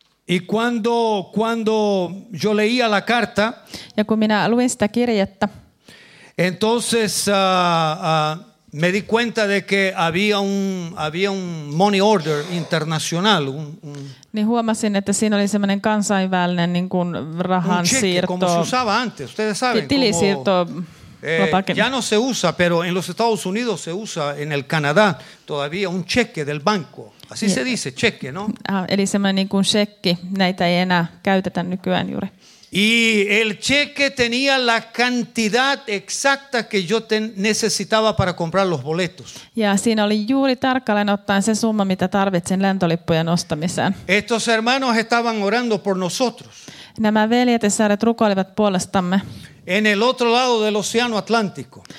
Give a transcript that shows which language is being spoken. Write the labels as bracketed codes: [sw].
[es] Y cuando yo leía la carta, [fi] ja kun minä luin sitä kirjettä, [es] entonces me di cuenta de que había un money order internacional, [fi] niin huomasin, että siinä oli semmoinen kansainvälinen niin kuin rahan siirto. [es] Como se usaba antes, ustedes saben, [fi] tilisiirto. [es] Ya no se usa, pero en los Estados Unidos se usa, en el Canadá todavía, un cheque del banco. Así se dice, cheque, ¿no? [fi] Eli semmoinen niin kuin shekki, näitä ei enää käytetä nykyään juuri. [es] Y el cheque tenía la cantidad exacta que yo necesitaba para comprar los boletos. [fi] Ja siinä oli juuri tarkalleen ottaen se summa, mitä tarvitsin lentolippujen ostamiseen. [es] Estos hermanos estaban orando por nosotros. [fi] Nämä veljet ja sääret rukoilivat puolestamme. [es] En el otro lado del océano Atlántico.